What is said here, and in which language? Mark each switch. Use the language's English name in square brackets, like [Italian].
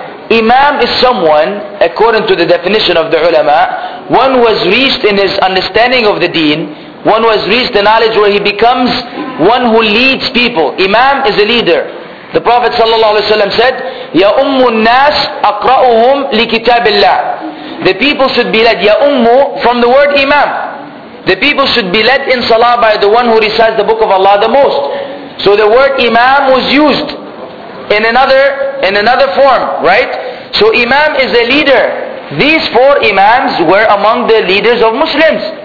[English] Imam is someone, according to the definition of the ulama, one who has reached in his understanding of the deen, one who has reached the knowledge where he becomes one who leads people. Imam is a leader. The Prophet ﷺ said, [Arabic] يَا أُمُّ النَّاسِ أَقْرَأُهُمْ لِكِتَابِ اللَّهِ. [English] the people should be led, ya'ummu, from the word imam. The people should be led in salah by the one who recites the book of Allah the most. So the word imam was used in another form, right? So imam is a leader. These four imams were among the leaders of Muslims.